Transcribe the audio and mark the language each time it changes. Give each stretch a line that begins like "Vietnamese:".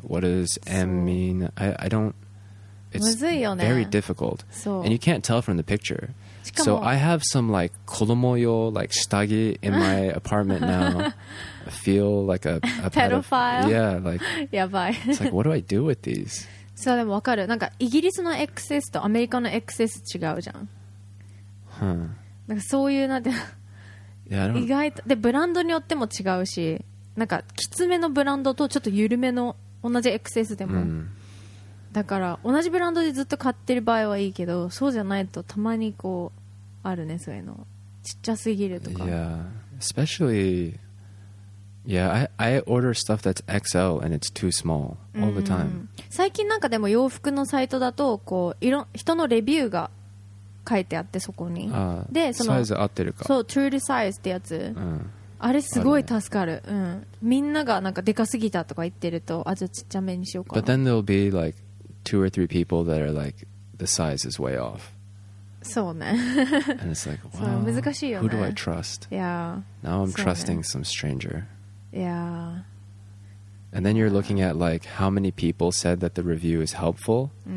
English: What does M mean? I don't. It's
Japanese: むずいよね。
English: Very difficult. So, and you can't tell from the picture.
Japanese: しかも、
English: so I have some like
Japanese: 子供用
English: like
Japanese: 下着
English: in my apartment now. I feel like a pedophile. Yeah, like
Japanese: やばい。
English: It's like, what do I do with these?
Japanese: そうでも分かる。なんかイギリスの XS とアメリカの XS 違うじゃん。なんかそういうなんて意外とでブランドによっても違うし、なんかきつめのブランドとちょっと緩めの同じ XS でも、だから同じブランドでずっと買ってる場合はいいけど、そうじゃないとたまにこうあるね、そういうのちっちゃすぎるとか。
English: Yeah, especially Yeah, I order stuff that's XL and it's too small all the time.
Japanese: 最近なんかでも洋服のサイトだとこういろ人のレビューが書いてあってそこに、でそのサイズ合ってるか、そう True Size ってやつ、あれすごい助かる、みんながなんかでかすぎたとか言ってると、あ、じゃあちっちゃめにしようかな。
English: But then there'll be like two or three people that are like the size is way off.
Japanese: そうね。
English: And it's like, wow,
Japanese: 難しいよね。
English: Who do I trust? Yeah. Now I'm trusting some stranger Yeah. And then you're looking at like how many people said that the review is helpful.